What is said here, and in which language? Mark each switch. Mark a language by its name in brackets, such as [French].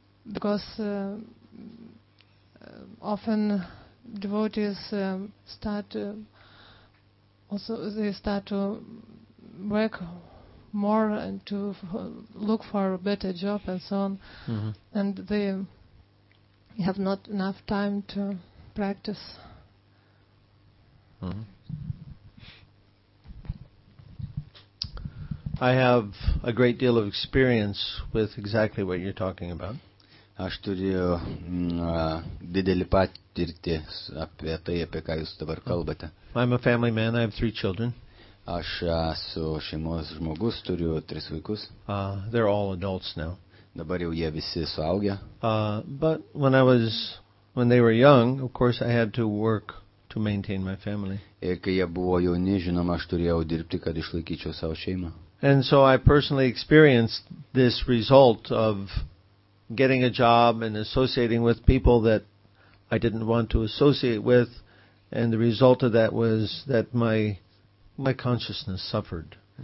[English] Because often devotees start to work more and to look for a better job and so on, and they have not enough time to practice. I have a great deal of experience with exactly what you're talking about. [Lithuanian] Aš turiu didelį patirtį apie tai, apie ką jūs dabar kalbate. [English] I'm a family man, I have three children. [Lithuanian] Aš esu šeimos žmogus, turiu tris vaikus. [English] They're all adults now. [Lithuanian] Dabar jau jie visi suaugę. [English] But when they were young, of course I had to work to maintain my family. [Lithuanian] Ir kai jie buvo jauni, žinoma, aš turėjau dirbti, kad išlaikyčiau savo šeimą. [English] And so I personally experienced this result of getting a job and associating with people that I didn't want to associate with, and the result of that was that my consciousness suffered.